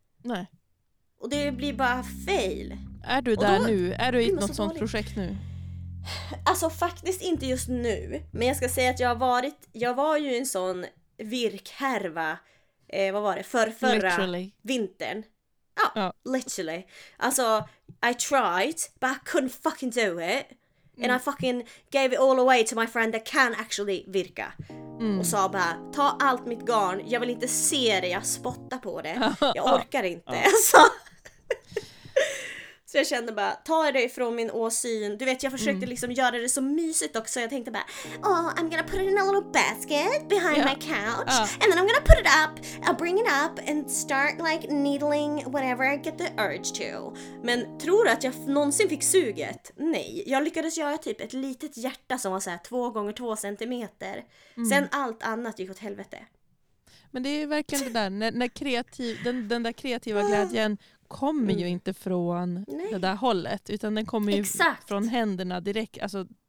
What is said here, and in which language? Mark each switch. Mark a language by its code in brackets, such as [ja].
[sv] Nej. Och det blir bara fail. Är du där nu? Är du i något sånt projekt nu? Alltså faktiskt inte just nu, men jag ska säga att jag var ju en sån virkhärva, vad var det, förra [en] literally. [sv] Vintern. Ja, oh, oh. Literally. [en] Alltså, I tried, but I couldn't fucking do it. And I fucking gave it all away to my friend that can actually virka. Mm. [sv] Och sa bara, ta allt mitt garn, jag vill inte se det, jag spottar på det. Jag orkar inte. Alltså. Så jag kände bara, ta det ifrån min åsyn. Du vet, jag försökte liksom göra det så mysigt också. Jag tänkte bara, [en] oh, I'm gonna put it in a little basket behind my couch. And then I'm gonna put it up, I'll bring it up and start like needling whatever I get the urge to. [sv] Men tror du att jag någonsin fick suget? Nej, jag lyckades göra typ ett litet hjärta som var såhär 2x2 centimeter. Sen allt annat gick åt helvete. Men det är ju verkligen det där, när kreativ, den där kreativa glädjen kommer ju inte från det där hållet, utan den kommer ju från händerna direkt, alltså